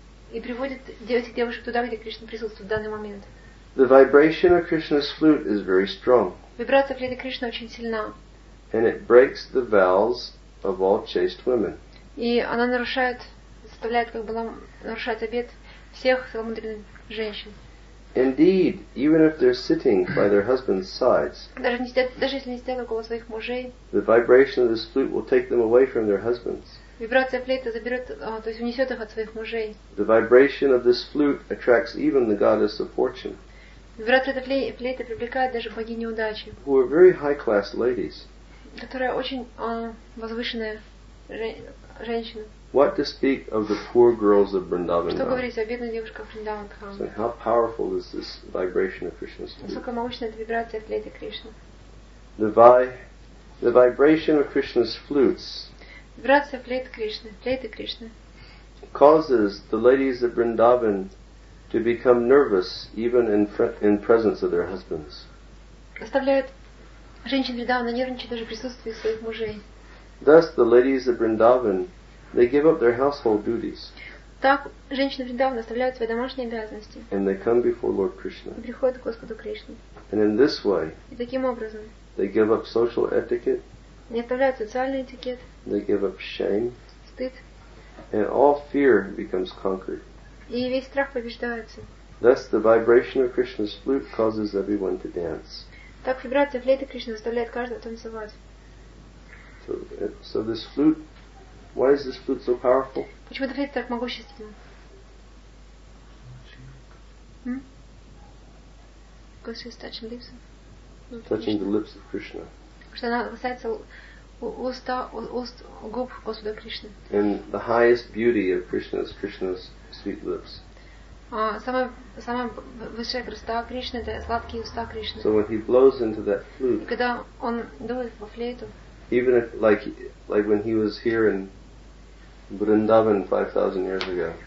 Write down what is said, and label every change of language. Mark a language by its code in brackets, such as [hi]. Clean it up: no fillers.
[ru] И приводит этих девушек туда, где Кришна присутствует в данный момент. [en] The vibration of Krishna's flute is very strong. [ru] Вибрация флейты Кришны очень сильна. [en] And it breaks the vows of all chaste women. [ru] И она нарушает, заставляет как бы нарушать обет всех целомудренных женщин. [en] Indeed, even if they're sitting by their husbands' sides, [ru] даже если они сидят около своих мужей, [en] the vibration of this flute will take them away from their husbands. [ru] Вибрация флейты заберет, то есть унесет их от своих мужей. [en] The vibration of this flute attracts even the goddess of fortune. [ru] Вибрация этой флейты привлекает даже богиню удачи. [en] Who are very high class ladies. [ru] Которая очень возвышенная женщина. [en] What to speak of the poor girls of Vrindavan? [ru] Что говорить о бедных девушках Вриндаванхам? [en] So how powerful is this vibration of Krishna's flute? [ru] Насколько мощна эта вибрация флейты Кришны? [en] The vibration of Krishna's flutes. [ru] Вибрация флейты Кришны, флейты Кришны. [en] Causes the ladies of Vrindavan to become nervous even in presence of their husbands. [ru] Заставляет женщин Вриндавана нервничать даже в присутствии своих мужей. [en] Thus the ladies of Vrindavan, they give up their household duties. [ru] Так женщины Вриндавана оставляют свои домашние обязанности. [en] And they come before Lord Krishna. [ru] И приходят к Господу Кришне. [en] And in this way, [ru] и таким образом, [en] they give up social etiquette. [ru] Они оставляют социальный этикет. [en] They give up shame. [ru] Стыд. [en] And all fear becomes conquered. [ru] И весь страх побеждается. [en] Thus the vibration of Krishna's flute causes everyone to dance. [ru] Так вибрация флейты Кришны заставляет каждого танцевать. [en] So this flute, why is this flute so powerful? [ru] Почему эта флейта так могущественна? [en] Because she's touching lips. Touching the lips of Krishna. [ru] Потому что она касается уст губ Господа Кришны. [en] And the highest beauty of Krishna is Krishna's sweet lips. [ru] Самая высшая красота Кришны — это сладкие уста Кришны. [en] So when he blows into that flute. [ru] Когда он дует во флейту. [en] Even if, like when he was here in Vrindavan 5,000 years ago.